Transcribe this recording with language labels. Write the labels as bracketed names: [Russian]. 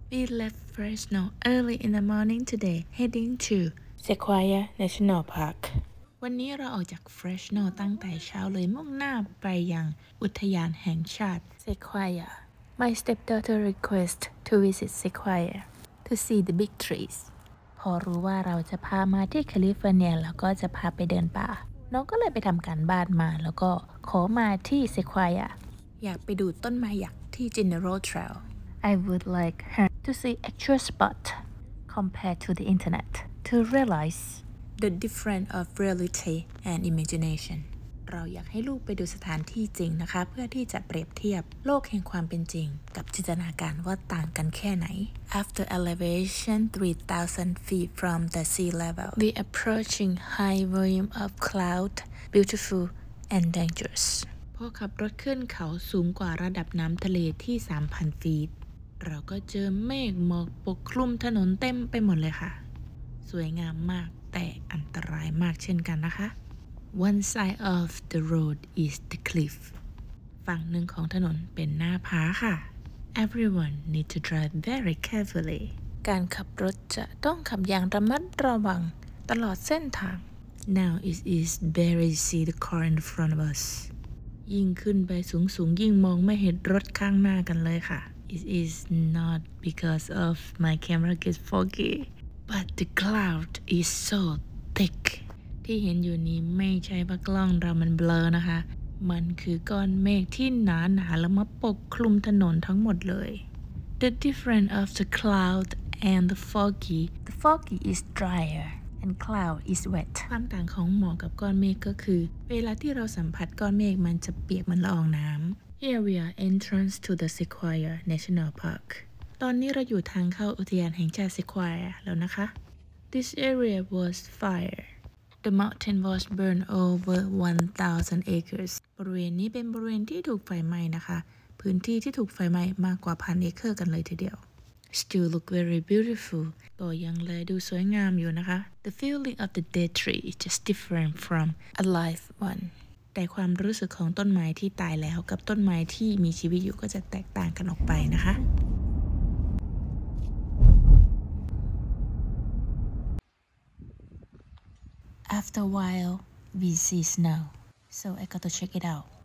[English] We left Fresno early in the morning today, heading to Sequoia National Park. [Thai] วันนี้เราออกจาก Fresno ตั้งแต่เช้าเลยมุ่งหน้าไปยังอุทยานแห่งชาติ [English] Sequoia. My stepdaughter requests to visit Sequoia to see the big trees. [Thai] พอรู้ว่าเราจะพามาที่แคลิฟอร์เนียแล้วก็จะพาไปเดินป่าน้องก็เลยไปทำการบ้านมาแล้วก็ขอมาที่ Sequoia. อยากไปดูต้นไม้ยักษ์ที่ General Trail. [English] I would like her to see actual spot compared to the internet to realize the difference of reality and imagination. [Thai] เราอยากให้ลูกไปดูสถานที่จริงนะคะเพื่อที่จะเปรียบเทียบโลกแห่งความเป็นจริงกับจินตนาการว่าต่างกันแค่ไหน [English] After elevation 3,000 feet from the sea level, we approaching high volume of cloud, beautiful and dangerous. [Thai] พอขับรถขึ้นเขาสูงกว่าระดับน้ำทะเลที่ 3,000 ฟีตเราก็เจอเมฆหมอกปกคลุมถนนเต็มไปหมดเลยค่ะสวยงามมากแต่อันตรายมากเช่นกันนะคะ [English] One side of the road is the cliff [Thai] ฝั่งหนึ่งของถนนเป็นหน้าผาค่ะ [English] Everyone need to drive very carefully [Thai] การขับรถจะต้องขับอย่างระมัดระวังตลอดเส้นทาง [English] Now it is very see the car in front of us [Thai] ยิ่งขึ้นไปสูงๆยิ่งมองไม่เห็นรถข้างหน้ากันเลยค่ะ [English] It is not because of my camera gets foggy but the cloud is so thick [Thai] ที่เห็นอยู่นี้ไม่ใช่เพราะกล้องเรามันเบลอนะคะมันคือก้อนเมฆที่หนาๆแล้วมาปกคลุมถนนทั้งหมดเลย [English] The difference of the cloud and the foggy The foggy is drier and cloud is wet [Thai] ความต่างของหมอกกับก้อนเมฆก็คือเวลาที่เราสัมผัสก้อนเมฆมันจะเปียกมันละอองน้ำ [English] Here we are entrance to the Sequoia National Park [Thai] ตอนนี้เราอยู่ทางเข้าอุทยานแห่งชาติ Sequoia แล้วนะคะ [English] This area was fire The mountain was burned over 1,000 acres [Thai] บริเวณนี้เป็นบริเวณที่ถูกไฟไหม้นะคะพื้นที่ที่ถูกไฟไหม้มากกว่า 1,000 เอเคอร์กันเลยทีเดียว [English] Still look very beautiful [Thai] ก็ยังเลยดูสวยงามอยู่นะคะ [English] The feeling of the dead tree is just different from a live one [Thai] แต่ความรู้สึกของต้นไม้ที่ตายแล้วกับต้นไม้ที่มีชีวิตอยู่ก็จะแตกต่างกันออกไปนะคะ [English] After a while we see snow so I got to check it out